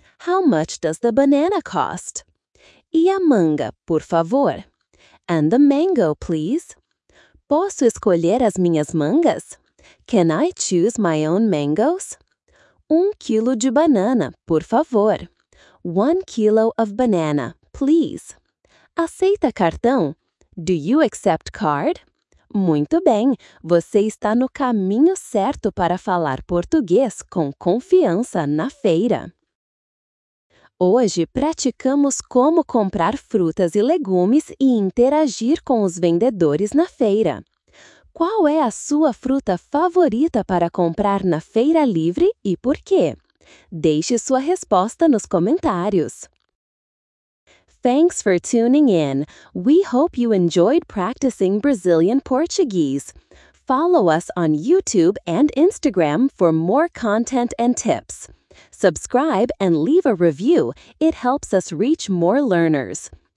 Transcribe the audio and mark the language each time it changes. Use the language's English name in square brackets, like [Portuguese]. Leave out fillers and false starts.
[English] How much does the banana cost? [Portuguese] E a manga, por favor? [English] And the mango, please. [Portuguese] Posso escolher as minhas mangas? [English] Can I choose my own mangoes? [Portuguese] 1 quilo de banana, por favor. [English] 1 kilo of banana, please. [Portuguese] Aceita cartão? [English] Do you accept card? [Portuguese] Muito bem, você está no caminho certo para falar português com confiança na feira. Hoje, praticamos como comprar frutas e legumes e interagir com os vendedores na feira. Qual é a sua fruta favorita para comprar na feira livre e por quê? Deixe sua resposta nos comentários. [English] Thanks for tuning in. We hope you enjoyed practicing Brazilian Portuguese. Follow us on YouTube and Instagram for more content and tips. subscribe, and leave a review, it helps us reach more learners.